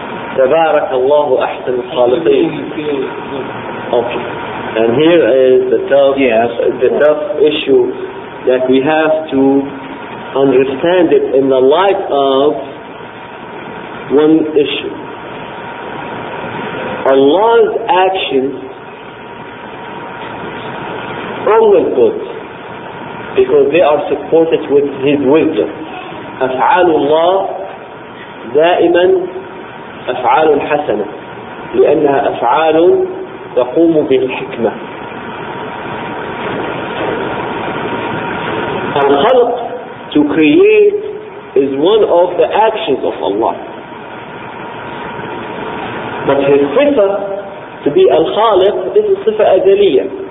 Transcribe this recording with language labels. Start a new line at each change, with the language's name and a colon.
Arabic: تبارك الله أحسن الخالقين.
English: Okay. And here is the tough, yes, the tough issue that we have to understand it in the light of one issue. Allah's actions always good because they are supported with His wisdom.
Arabic: أفعال الله دائما أفعال حسنة لأنها أفعال تقوم بالحكمة.
English: الخلق to create is one of the actions of Allah. But his صفة to be الخالق, this is
Arabic: صفة أزلية.